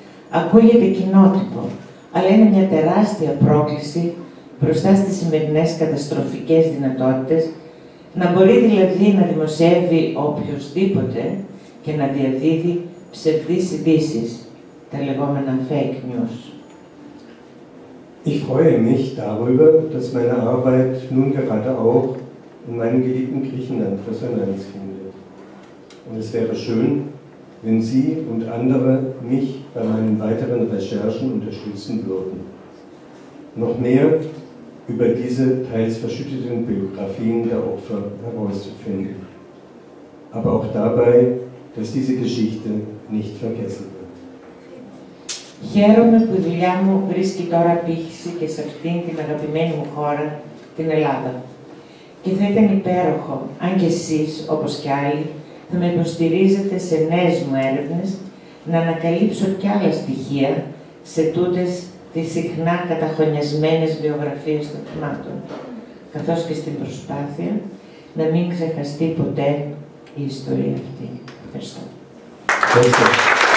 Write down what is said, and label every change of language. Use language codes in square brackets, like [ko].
[el] Ακούγεται κοινότυπο, αλλά είναι μια τεράστια πρόκληση μπροστά στις σημερινές καταστροφικές δυνατότητες, να μπορεί δηλαδή να δημοσιεύει οποιοδήποτε και να διαδίδει ψευδείς ειδήσεις, τα λεγόμενα fake news. [de] Ich freue mich darüber, dass meine Arbeit nun gerade auch in meinem geliebten Griechenland Resonanz findet. Und es wäre schön, wenn Sie und andere mich bei meinen weiteren Recherchen unterstützen würden. Noch mehr über diese teils verschütteten Biografien der Opfer herauszufinden. Aber auch dabei, dass diese Geschichte nicht vergessen wird. [el] Χαίρομαι που η δουλειά μου βρίσκει τώρα πύχηση και σε αυτήν την αγαπημένη μου χώρα, την Ελλάδα. Και θα ήταν υπέροχο, αν και εσείς, όπως και άλλοι, θα με υποστηρίζετε σε νέες μου έρευνες, να ανακαλύψω κι άλλα στοιχεία σε τούτες τις συχνά καταχωνιασμένες βιογραφίες των θυμάτων, καθώς και στην προσπάθεια να μην ξεχαστεί ποτέ η ιστορία αυτή. Ευχαριστώ.